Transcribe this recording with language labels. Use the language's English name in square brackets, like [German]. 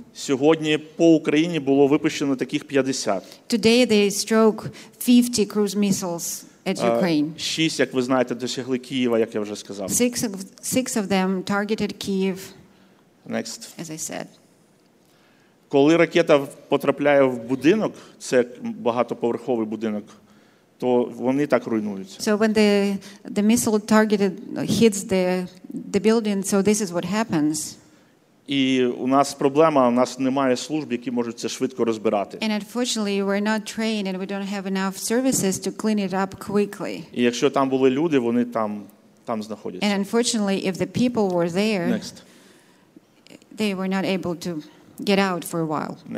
[Ukrainian] Сьогодні по Україні було випущено таких 50. [English] Today they struck 50 cruise missiles at Ukraine. [Ukrainian] 6, як ви знаєте, досягли Києва, як я вже сказав. [English] Six of them targeted Kyiv. Next. As I said. [Ukrainian] Коли ракета потрапляє в будинок, це багатоповерховий будинок, то вони так руйнуються. [English] So when the missile targeted hits the building, so this is what happens. [Ukrainian] І у нас проблема, у нас немає служб, які можуть це швидко розбирати. [English] And unfortunately, we're not trained and we don't have enough services to clean it up quickly. [Ukrainian] І якщо там були люди, вони там знаходяться. [English] And unfortunately, if the people were there, next, they were not able to get out for a while.